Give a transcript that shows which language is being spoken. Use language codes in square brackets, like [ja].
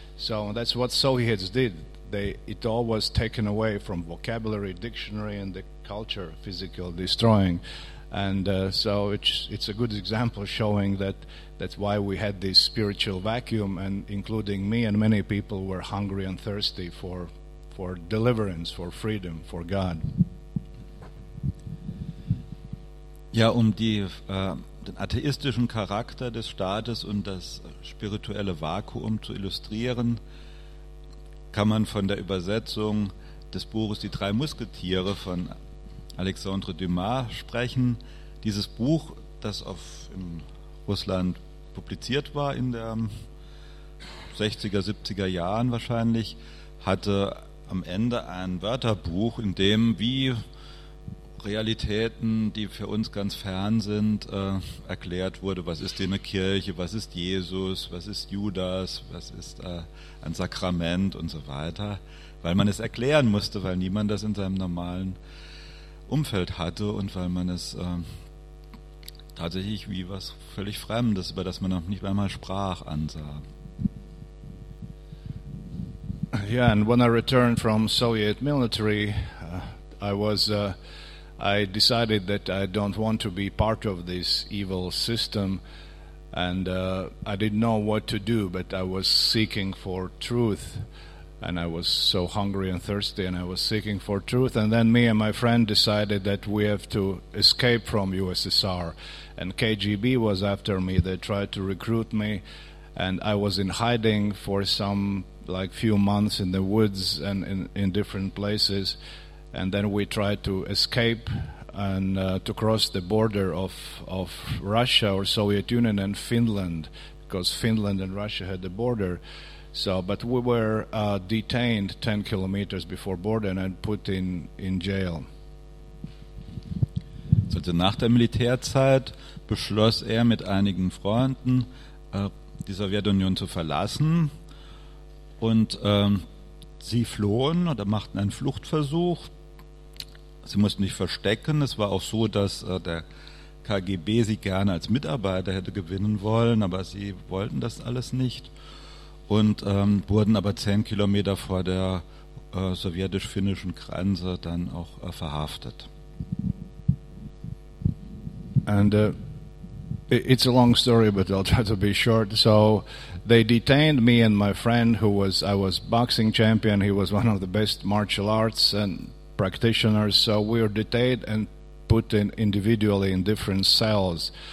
[en] So that's what Soviets did. It all was taken away from vocabulary, dictionary, and the culture, physical destroying. And so it's a good example showing that's why we had this spiritual vacuum, and including me and many people were hungry and thirsty for deliverance, for freedom, for God. [de] Ja, um den atheistischen Charakter des Staates und das spirituelle Vakuum zu illustrieren, kann man von der Übersetzung des Buches Die drei Musketiere von Alexandre Dumas sprechen. Dieses Buch, das in Russland publiziert war in den 60er, 70er Jahren wahrscheinlich, hatte am Ende ein Wörterbuch, in dem wie Realitäten, die für uns ganz fern sind, erklärt wurde, was ist denn eine Kirche, was ist Jesus, was ist Judas, was ist ein Sakrament und so weiter, weil man es erklären musste, weil niemand das in seinem normalen Umfeld hatte und weil man es tatsächlich wie was völlig Fremdes, über das man noch nicht einmal sprach, ansah. [en] Ja, yeah, and when I returned from Soviet military, I decided that I don't want to be part of this evil system, and I didn't know what to do, but I was seeking for truth, and I was so hungry and thirsty, and I was seeking for truth, and then me and my friend decided that we have to escape from USSR, and KGB was after me. They tried to recruit me, and I was in hiding for some, like, few months in the woods and in different places. And then we tried to escape and to cross the border of Russia or Soviet Union and Finland, because Finland and Russia had the border. So, but we were detained 10 kilometers before border and put in jail. [de] Also nach der Militärzeit beschloss er mit einigen Freunden die Sowjetunion zu verlassen und sie flohen oder machten einen Fluchtversuch. Sie mussten sich verstecken. Es war auch so, dass der KGB sie gerne als Mitarbeiter hätte gewinnen wollen, aber sie wollten das alles nicht und wurden aber 10 Kilometer vor der sowjetisch-finnischen Grenze dann auch verhaftet. [en] And it's a long story, but I'll try to be short. So they detained me and my friend, I was boxing champion. He was one of the best martial arts and practitioners. So we were detained and put in individually in different cells.